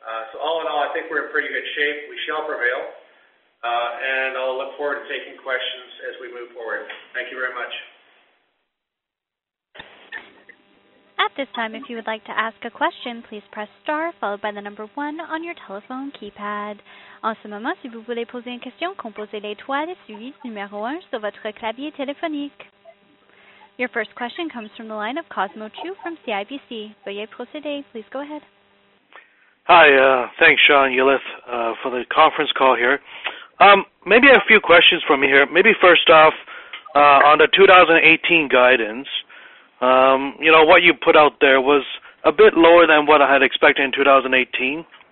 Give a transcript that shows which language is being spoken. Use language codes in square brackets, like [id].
[en] So all in all, I think we're in pretty good shape. We shall prevail. And I'll look forward to taking questions as we move forward. Thank you very much. At this time, if you would like to ask a question, please press star followed by the number 1 on your telephone keypad. [fr] En ce moment, si vous voulez poser une question, composez l'étoile suivi numéro 1 sur votre clavier téléphonique. [en] Your first question comes from the line of Cosmo Chu from CIBC. [fr] Veuillez procéder. [en] Please go ahead. Hi. Thanks, Sean Yulith, for the conference call here. Maybe a few questions from me here. Maybe first off, on the 2018 guidance, you know, what you put out there was a bit lower than what I had expected in 2018.